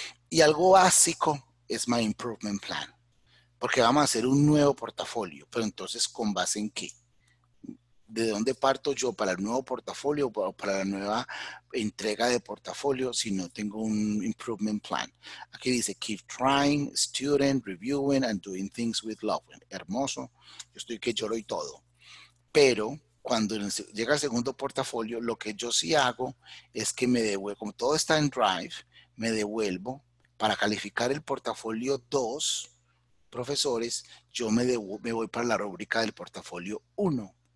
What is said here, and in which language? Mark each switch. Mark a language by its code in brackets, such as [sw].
[es] Y algo básico es my improvement plan, porque vamos a hacer un nuevo portafolio, pero entonces ¿con base en qué? ¿De dónde parto yo para el nuevo portafolio o para la nueva entrega de portafolio si no tengo un improvement plan? Aquí dice, [en] keep trying, student, reviewing and doing things with love. [es] Hermoso, yo estoy que lloro y todo. Pero cuando llega el segundo portafolio, lo que yo sí hago es que me devuelvo, como todo está en Drive, me devuelvo para calificar el portafolio 2, profesores, yo me voy para la rúbrica del portafolio 1.